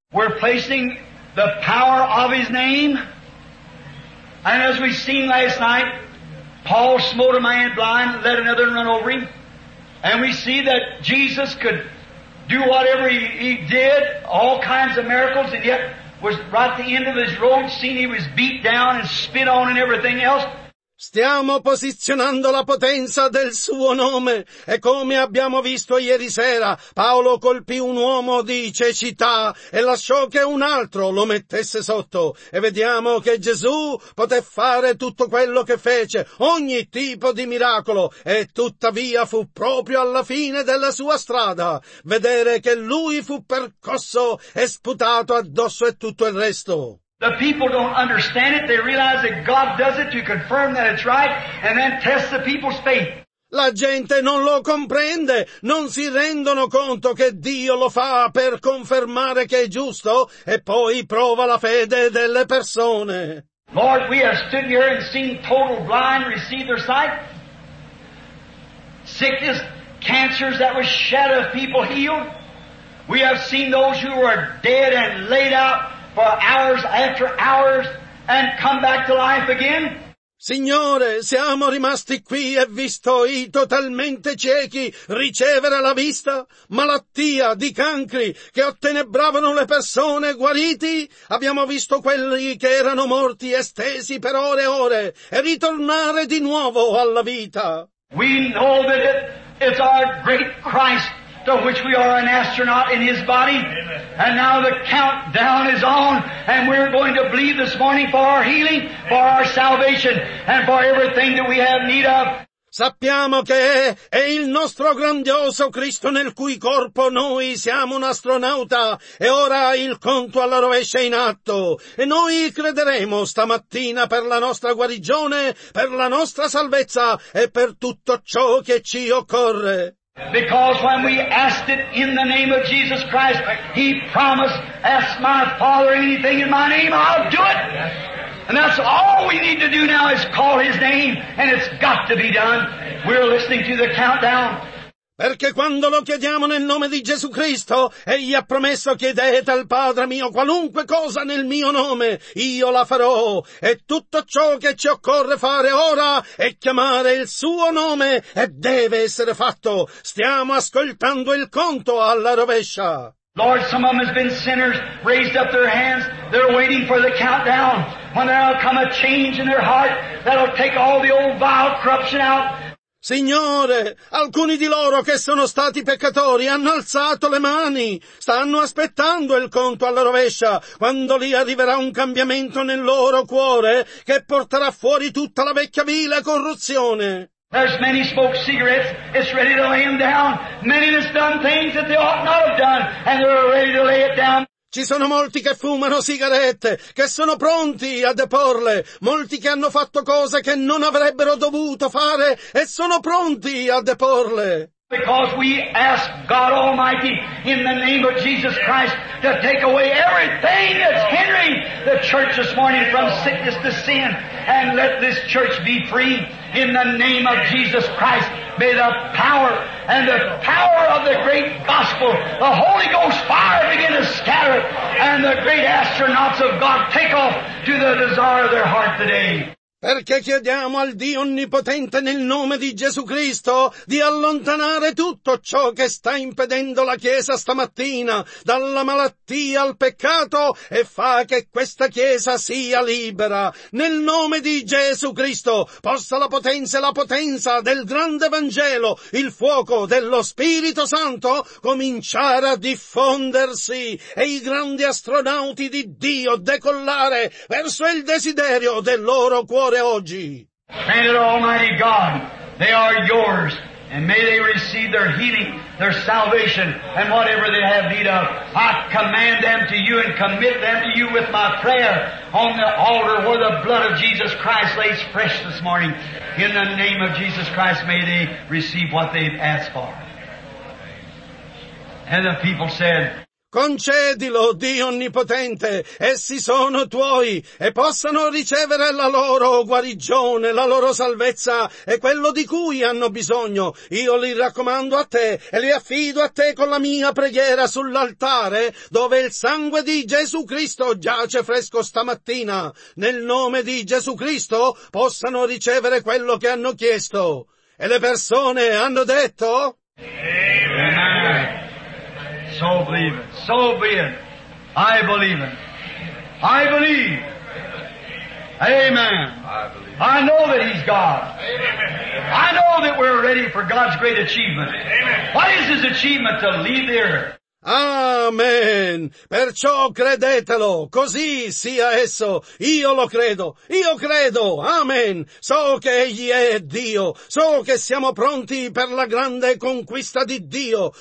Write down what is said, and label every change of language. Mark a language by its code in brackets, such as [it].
[en] We're placing the power of His name. And as we seen last night, Paul smote a man blind, let another run over him. And we see that Jesus could do whatever he did, all kinds of miracles, and yet was right at the end of his road, seen he was beat down and spit on and everything else. [it] Stiamo posizionando la potenza del suo nome e come abbiamo visto ieri sera, Paolo colpì un uomo di cecità e lasciò che un altro lo mettesse sotto e vediamo che Gesù poté fare tutto quello che fece, ogni tipo di miracolo e tuttavia fu proprio alla fine della sua strada vedere che lui fu percosso e sputato addosso e tutto il resto. [en] The people don't understand it. They realize that God does it to confirm that it's right and then test the people's faith. [it] La gente non lo comprende. Non si rendono conto che Dio lo fa per confermare che è giusto e poi prova la fede delle persone. [en] Lord, we have stood here and seen total blind receive their sight. Sickness, cancers that were shed of people healed. We have seen those who were dead and laid out for hours after hours and come back to life again. [it] Signore, siamo rimasti qui e visto i totalmente ciechi ricevere la vista, malattia di cancri che ottenebravano le persone guariti. Abbiamo visto quelli che erano morti estesi per ore e ore e ritornare di nuovo alla vita. [en] We know that it's our great Christ to which we are an astronaut in His body. Amen. And now the countdown is on and we're going to believe this morning for our healing, for our salvation and for everything that we have need of. [it] Sappiamo che è il nostro grandioso Cristo nel cui corpo noi siamo un astronauta e ora il conto alla rovescia è in atto e noi crederemo stamattina per la nostra guarigione, per la nostra salvezza e per tutto ciò che ci occorre. [en] Because when we asked it in the name of Jesus Christ, He promised, ask my Father anything in my name, I'll do it. And that's all we need to do now is call His name, and it's got to be done. We're listening to the countdown. [it] Perché quando lo chiediamo nel nome di Gesù Cristo, Egli ha promesso chiedete al Padre mio qualunque cosa nel mio nome, io la farò. E tutto ciò che ci occorre fare ora è chiamare il Suo nome e deve essere fatto. Stiamo ascoltando il conto alla rovescia. [en] Lord, some of them have been sinners, raised up their hands, they're waiting for the countdown. When there'll come a change in their heart, that'll take all the old vile corruption out. [it] Signore, alcuni di loro che sono stati peccatori hanno alzato le mani, stanno aspettando il conto alla rovescia, quando lì arriverà un cambiamento nel loro cuore che porterà fuori tutta la vecchia vile corruzione. [en] There's many smoke cigarettes, it's ready to lay them down. Many have done things that they ought not have done, and they're ready to lay it down. [it] Ci sono molti che fumano sigarette, che sono pronti a deporle. Molti che hanno fatto cose che non avrebbero dovuto fare e sono pronti a deporle. [en] Because we ask God Almighty in the name of Jesus Christ to take away everything that's hindering the church this morning from sickness to sin and let this church be free in the name of Jesus Christ. May the power and the power of the great gospel, the Holy Ghost fire begin to scatter it and the great astronauts of God take off to the desire of their heart today. [it] Perché chiediamo al Dio Onnipotente nel nome di Gesù Cristo di allontanare tutto ciò che sta impedendo la Chiesa stamattina, dalla malattia al peccato, e fa che questa Chiesa sia libera. Nel nome di Gesù Cristo, possa la potenza e la potenza del grande Vangelo, il fuoco dello Spirito Santo, cominciare a diffondersi e i grandi astronauti di Dio decollare verso il desiderio del loro cuore. [en] Grant it, Almighty God, they are yours, and may they receive their healing, their salvation, and whatever they have need of. I command them to you and commit them to you with my prayer on the altar where the blood of Jesus Christ lays fresh this morning. In the name of Jesus Christ, may they receive what they've asked for. And the people said, [it] concedilo, Dio Onnipotente, essi sono tuoi e possano ricevere la loro guarigione, la loro salvezza e quello di cui hanno bisogno. Io li raccomando a te e li affido a te con la mia preghiera sull'altare dove il sangue di Gesù Cristo giace fresco stamattina. Nel nome di Gesù Cristo possano ricevere quello che hanno chiesto. E le persone hanno detto? [en] Amen. So believe it. So be it. I believe it. I believe. Amen. I know that He's God. I know that we're ready for God's great achievement. What is His achievement? To leave the earth. Amen. [it] Perciò credetelo, così sia esso. Io lo credo, io credo. Amen. So che Egli è Dio, so che siamo pronti per la grande conquista di Dio.